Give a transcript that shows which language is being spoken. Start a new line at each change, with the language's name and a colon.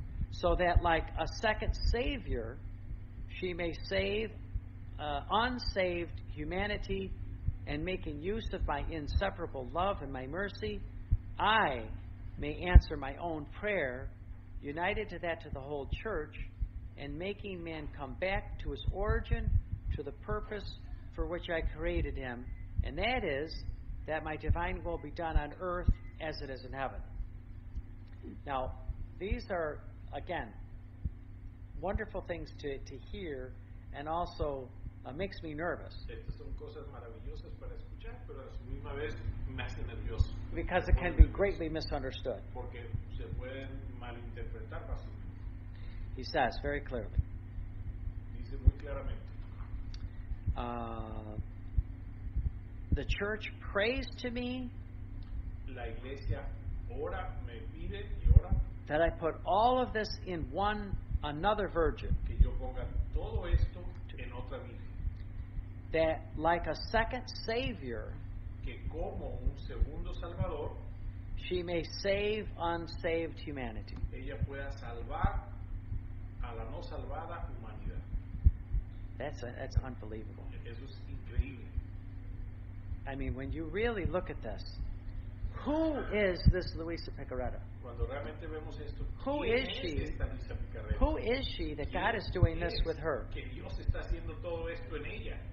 English: So that, like a second Savior, she may save unsaved humanity, and making use of my inseparable love and my mercy, I may answer my own prayer, united to that to the whole church, and making man come back to his origin, to the purpose for which I created him, and that is that my divine will be done on earth as it is in heaven. Now, these are, again, wonderful things to hear, and also makes me nervous.
Spanish: Estas son cosas maravillosas para escuchar, pero a su misma vez me hace nervioso.
English: Because it can be greatly misunderstood.
Spanish: Porque se pueden malinterpretar fácilmente.
English: He says very clearly.
Spanish: Dice muy claramente.
English: The church prays to me.
Spanish: La iglesia ora, me pide y ora.
English: That I put all of this in one another virgin.
Spanish: Que yo ponga todo esto en otra virgen.
English: That like a second Savior,
Spanish: que como un segundo Salvador,
English: she may save unsaved humanity.
Spanish: Ella pueda salvar a la no salvada humanidad.
English: That's unbelievable.
Spanish: Eso es increíble.
English: I mean, when you really look at this, who is this Luisa Piccarreta?
Spanish: Cuando realmente vemos esto,
English: who is she? Who is she that God is doing this with her?
Spanish: Que Dios está haciendo todo esto en ella.